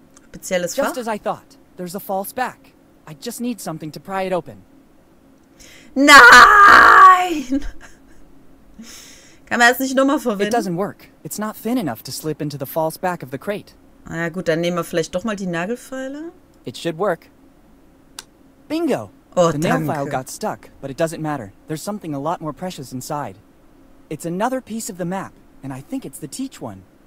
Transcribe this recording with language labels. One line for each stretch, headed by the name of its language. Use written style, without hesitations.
German: Spezielles Fach?
English: Just as I thought. There's a false back. I just need something to pry it open.
German: Nein! Kann man das nicht nochmal verwenden?
English: It doesn't work. It's not thin enough to slip into the false back of the crate.
German: Na ja, gut, dann nehmen wir vielleicht doch mal die Nagelfeile.
English: It should work. Bingo. Oh, the nail file got stuck, but it doesn't matter. There's something a lot more precious inside. It's another piece of the map, and I think it's the Teach one.